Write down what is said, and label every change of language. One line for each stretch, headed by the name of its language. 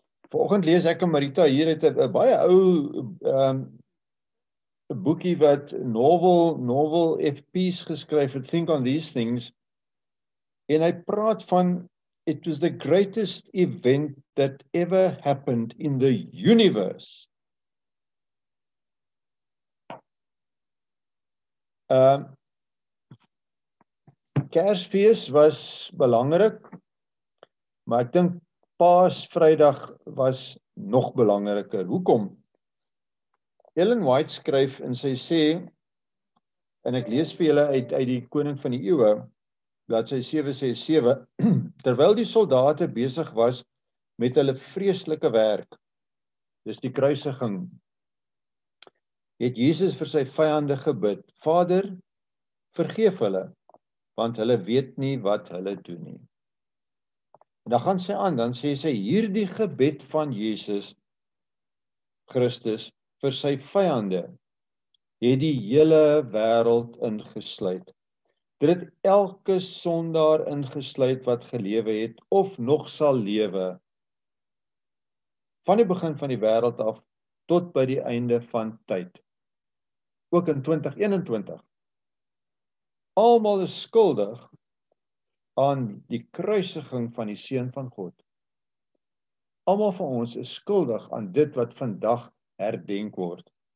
Afrikaans: Vanoggend lees ek en Marita hier het 'n baie ou 'n boekie wat novel FP's geskryf het, Think on These Things. En hy praat van
English: it was the greatest event that ever happened in the universe.
Afrikaans: Kersfees was belangrik, maar ek dink Paasvrydag was nog belangriker. Hoekom? Ellen White skryf en sy sê, en ek lees vir julle uit die Koning van die Eeue, bladsy 767, terwyl die soldate besig was met hulle vreeslike werk, dis die kruisiging, het Jesus vir sy vyande gebid, Vader, vergeef hulle, want hulle weet nie wat hulle doen nie. En dan gaan sy aan, dan sê sy, hierdie gebed van Jesus Christus vir sy vyande het die hele wêreld ingesluit. Dit het elke sondaar ingesluit wat gelewe het of nog sal lewe. Van die begin van die wêreld af tot by die einde van tyd. Ook in 2021. Almal is skuldig aan die kruisiging van die Seun van God. Almal van ons is skuldig aan dit wat vandag herdenk word.